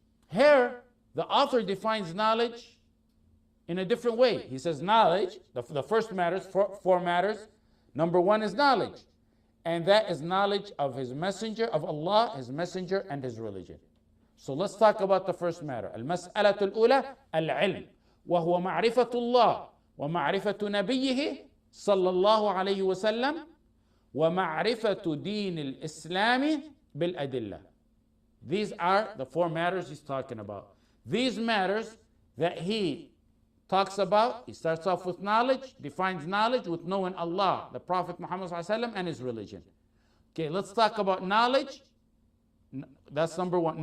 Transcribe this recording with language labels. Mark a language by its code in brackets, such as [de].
[en] Here, the author defines knowledge in a different way. He says knowledge, the first matters, four matters. Number one is knowledge. And that is knowledge of his messenger, of Allah, his messenger, and his religion. So let's talk about the first matter. [ar] المسألة الأولى العلم وهو معرفة الله ومعرفة نبيه صلى الله عليه وسلم ومعرفة دين الإسلام بالأدلة. These are the four matters he's talking about. These matters that he talks about, he starts off with knowledge, defines knowledge with knowing Allah, the Prophet Muhammad SAW, and his religion. [en] Okay, let's talk about knowledge. That's number one.